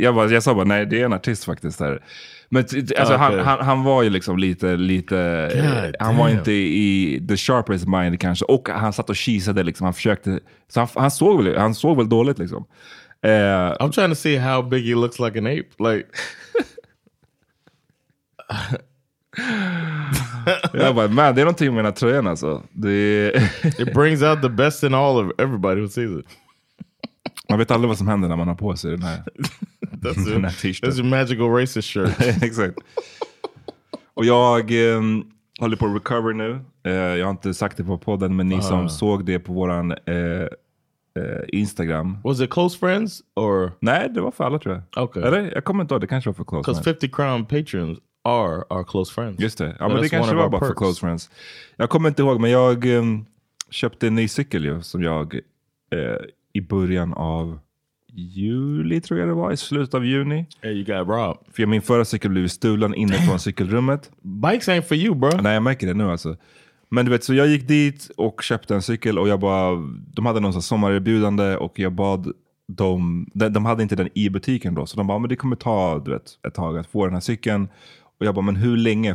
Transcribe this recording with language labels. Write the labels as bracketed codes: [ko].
[sv] jag sa bara, nej, det är en artist faktiskt där. Men alltså, okay. han var ju liksom lite han var inte i [en] the sharpest mind [sv] kanske, och han satt och kisade liksom, han försökte, så han såg väl dåligt liksom. [en] I'm trying to see how big he looks like an ape, like. [sv] Jag bara, man, det är någonting med mina tröjan alltså. [en] It brings out the best in all of everybody who sees it. [sv] Man vet aldrig vad som händer när man har på sig den här. [en] That's your magical racist shirt. [sv] Exakt. Och jag håller på att recover nu. Jag har inte sagt det på podden, men ni som såg det på våran Instagram. [en] Was it close friends or? [sv] Nej, det var för alla, tror jag. [en] Okay. [sv] Eller, jag kommer inte ihåg, det kanske var för close [en] friends. Because 50 crown patrons are our close friends. [sv] Just det, ja, men det kanske var bara perks. För close friends. Jag kommer inte ihåg, men jag köpte en ny cykel ju, som jag i början av juli, tror jag det var, i slutet av juni. [en] Hey, you got robbed. [sv] För min förra cykel blev stulen inifrån cykelrummet. [en] Bikes ain't for you, bro. [sv] Nej, jag märker det nu alltså. Men du vet, så jag gick dit och köpte en cykel, och jag bara, de hade någon sån sommarerbjudande, och jag bad dem, de hade inte den i butiken då, så de bara, men det kommer ta, du vet, ett tag att få den här cykeln. Och jag bara, men hur länge?